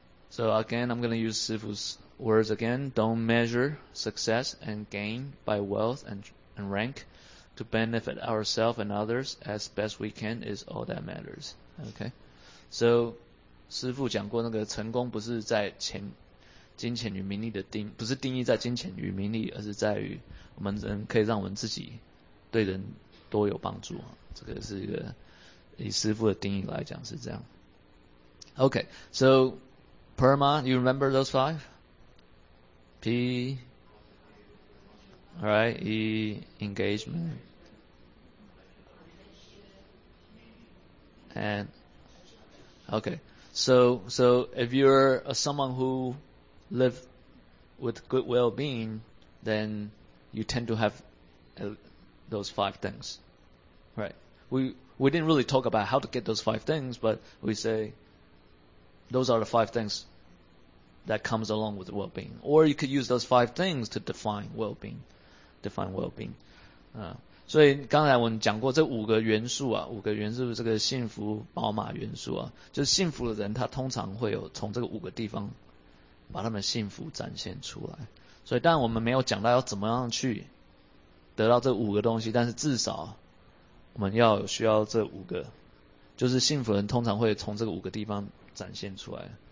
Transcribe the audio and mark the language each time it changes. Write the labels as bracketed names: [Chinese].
[English] So again, I'm going to use Sifu's words again. Don't measure success and gain by wealth and rank. To benefit ourselves and others as best we can is all that matters. Okay. [Chinese] So, Sifu 讲过那个成功不是在钱、金钱与名利的定，不是定义在金钱与名利，而是在于我们人可以让我们自己对人多有帮助。这个是一个以Sifu的定义来讲是这样。Okay. [English] So,Perma, you remember those five? P, alright, E, engagement, and, okay, so if you're someone who live with good well-being, then you tend to have those five things, right? We didn't really talk about how to get those five things, but we say those are the five things. That comes along with well-being. Or you could use those five things to define well-being. Define well-being. [Chinese] 所以刚才我们讲过这五个元素啊，五个元素这个幸福宝马元素啊，就是幸福的人他通常会有从这个五个地方把他们幸福展现出来。所以当然我们没有讲到要怎么样去得到这五个东西，但是至少我们要有需要这五个，就是幸福人通常会从这个五个地方展现出来。